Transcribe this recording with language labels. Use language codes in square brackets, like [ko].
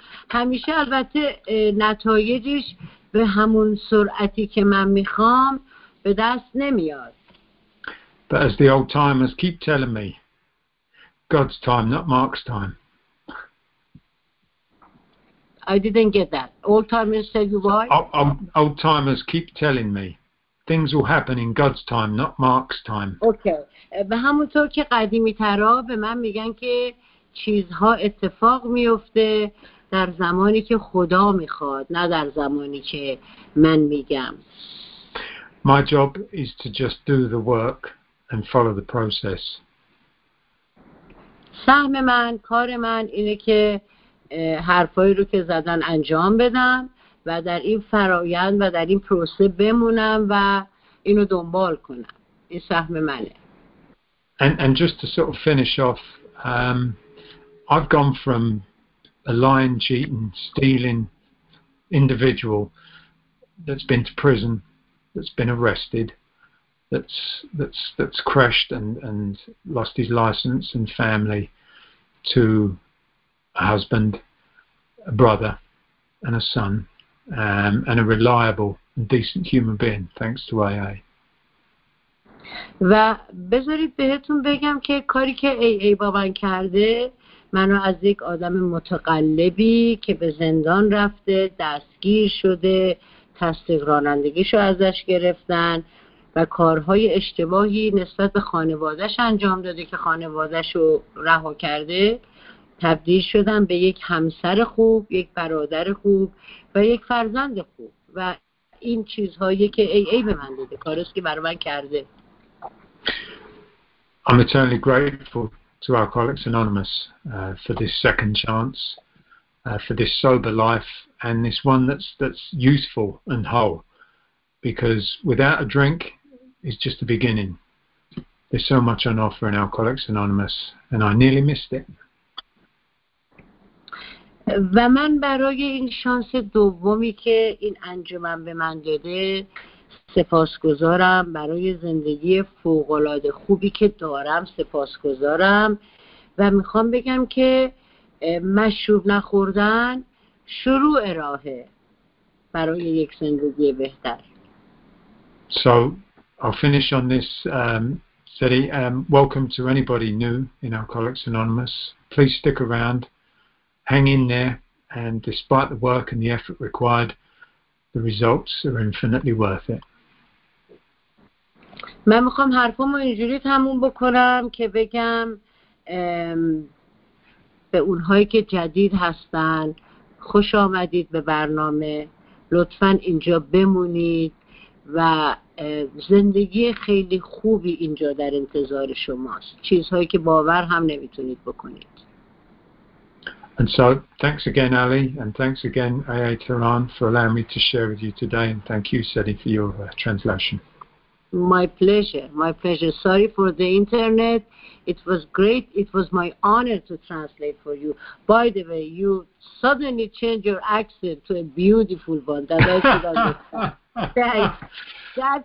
[fa] همیشه البته نتایجش به همون سرعتی که من میخوام به دست نمیاد. [en] But as the old timers keep telling me, God's time, not Mark's time. I didn't get that. Old timers said why? Old timers keep telling me, things will happen in God's time, not Mark's time. Okay. [fa] به همونطور که قدیمی ترا به من میگن که چیزها اتفاق میفته در زمانی که خدا میخواد نه در زمانی که من میگم. [en] My job is to just do the work and follow the process. [fa] سهم من، کار من اینه که حرفایی رو که زدن انجام بدم و در این فرایند و در این پروسه بمونم و اینو دنبال کنم. این سهم منه. [en] And just to sort of finish off, I've gone from a lying, cheating, stealing individual that's been to prison, that's been arrested, that's crashed and lost his license and family, to a husband, a brother, and a son, and a reliable and decent human being, thanks to AA. [fa] و بذارید بهتون بگم که کاری که AA با من کرده منو از یک آدم متقلبی که به زندان رفته، دستگیر شده، تصدیق رانندگیشو ازش گرفتن و کارهای اشتباهی نسبت به خانوادش انجام داده که خانوادشو رها کرده، تبدیل شدم به یک همسر خوب، یک برادر خوب و یک فرزند خوب. و این چیزهایی که AA به من داده، کارست که برای من کرده. [en] I'm eternally grateful to Alcoholics Anonymous for this second chance, for this sober life and this one that's useful and whole. Because without a drink is just the beginning. There's so much on offer in Alcoholics Anonymous and I nearly missed it. [fa] و من برای این شانس دومی که این انجمن به من داده سپاسگزارم، برای زندگی فوق‌العاده خوبی که دارم سپاسگزارم و میخوام بگم که مشروب نخوردن شروع راهه برای یک زندگی بهتر. [en] So I'll finish on this, Zeddy. Welcome to anybody new in Alcoholics Anonymous. Please stick around, hang in there, and despite the work and the effort required, the results are infinitely worth it. [fa] من میخوام حرفامو اینجوری تموم بکنم که بگم به اونهایی که جدید هستن خوش آمدید به برنامه، لطفاً اینجا بمونید و زندگی خیلی خوبی اینجا در انتظار شماست، چیزهایی که باور هم نمیتونید بکنید. [en] And so thanks again Ali and thanks again AA Tehran for allowing me to share with you today and thank you Sadie for your translation. My pleasure. Sorry for the internet. It was great. It was my honor to translate for you. By the way, you suddenly changed your accent to a beautiful one. That I should understand. Thanks.